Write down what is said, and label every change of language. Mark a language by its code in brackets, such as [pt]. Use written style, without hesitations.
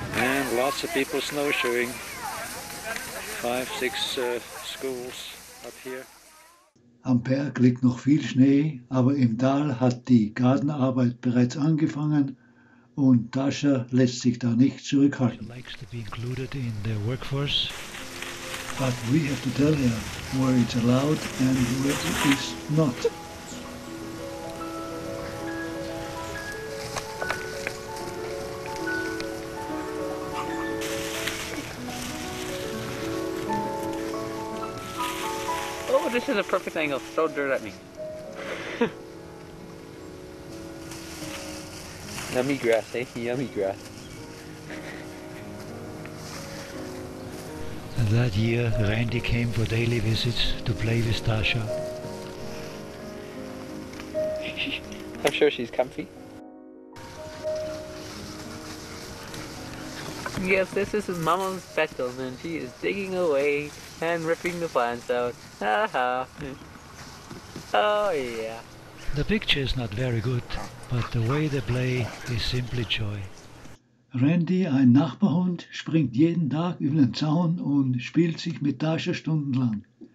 [en] And lots of people snowshoeing. 5, 6 schools up here. [de] Am Berg liegt noch viel Schnee, aber im Tal hat die Gartenarbeit bereits angefangen und Tascha lässt sich da nicht zurückhalten. [en] She likes to be included in the workforce. But we have to tell her where it's allowed and where it is not. This is a perfect angle, throw dirt at me. Yummy grass, eh? Yummy grass. And that year, Randy came for daily visits to play with Tasha. I'm sure she's comfy. Yes, this is Mama's bedroom, and she is digging away and ripping the plants out. Oh yeah. The picture is not very good, but the way they play is simply joy. [de] Randy, ein Nachbarhund, springt jeden Tag über den Zaun und spielt sich mit Tascha stundenlang.